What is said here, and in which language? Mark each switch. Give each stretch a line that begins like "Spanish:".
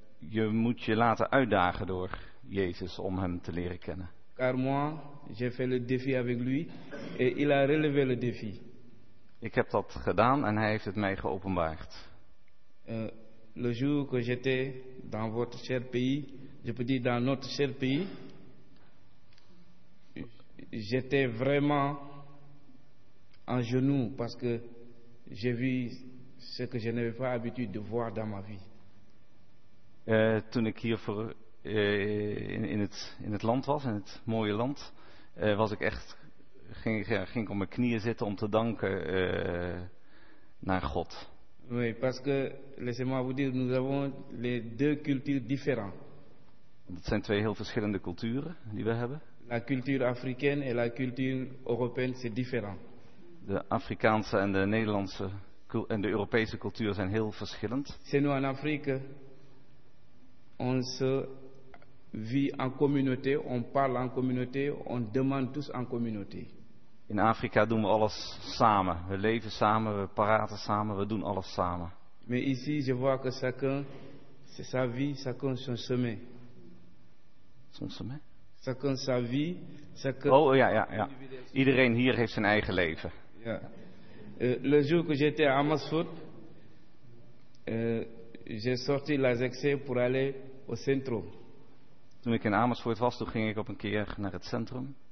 Dutch: Je moet je laten uitdagen door Jezus om hem te leren kennen.
French: Car moi, j'ai fait le défi avec lui et il a relevé le défi.
Dutch: Ik heb dat gedaan en hij heeft het mij geopenbaard.
French: Le jour que j'étais dans votre cher pays, je peux dire dans notre cher pays, j'étais vraiment en genoux parce que j'ai vu ce que je n'avais pas l'habitude de voir dans ma vie.
Dutch: Toen ik hier voor in het land was, in het mooie land, was ik echt ging ik op mijn knieën zitten om te danken naar God.
French: Oui, parce que laissez-moi vous dire, nous avons les deux cultures différentes.
Dutch: Dat zijn twee heel verschillende culturen die we hebben.
French: La culture africaine et la culture européenne, c'est différent.
Dutch: De Afrikaanse en de Nederlandse en de Europese cultuur zijn heel verschillend.
French: C'est nous en Afrique, on se vit en communauté, on parle en communauté, on demande tous en communauté.
Dutch: In Afrika doen we alles samen. We leven samen, we praten samen, we doen alles samen.
French: Mais ici, je vois que chacun, c'est sa vie, chacun son chemin. Son chemin? Chacun sa vie, chacun.
Dutch: Oh ja, ja, ja. Iedereen hier heeft zijn eigen leven. Ja.
French: Le jour que j'étais à Amersfoort, j'ai sorti la ZXC pour aller au centre.
Dutch: Toen ik in Amersfoort was, toen ging ik op een keer naar het centrum.